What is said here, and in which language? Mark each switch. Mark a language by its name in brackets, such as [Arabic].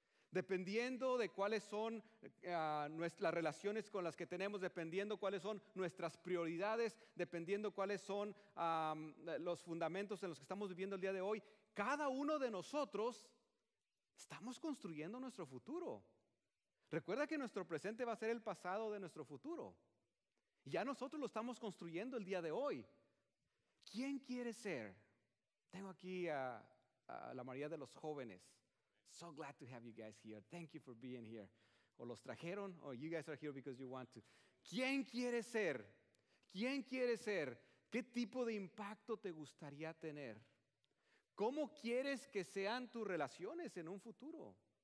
[Spanish] Dependiendo de cuáles son las relaciones con las que tenemos, dependiendo cuáles son nuestras prioridades, dependiendo cuáles son los fundamentos en los que estamos viviendo el día de hoy, cada uno de nosotros estamos construyendo nuestro futuro. Recuerda que nuestro presente va a ser el pasado de nuestro futuro. Y ya nosotros lo estamos construyendo el día de hoy. ¿Quién quiere ser? Tengo aquí a la mayoría de los jóvenes. [English] So glad to have you guys here. Thank you for being here. [Spanish] O los trajeron, o [English] you guys are here because you want to. [Spanish] ¿Quién quiere ser? ¿Quién quiere ser? ¿Qué tipo de impacto te gustaría tener? ¿Cómo quieres que sean tus relaciones en un futuro?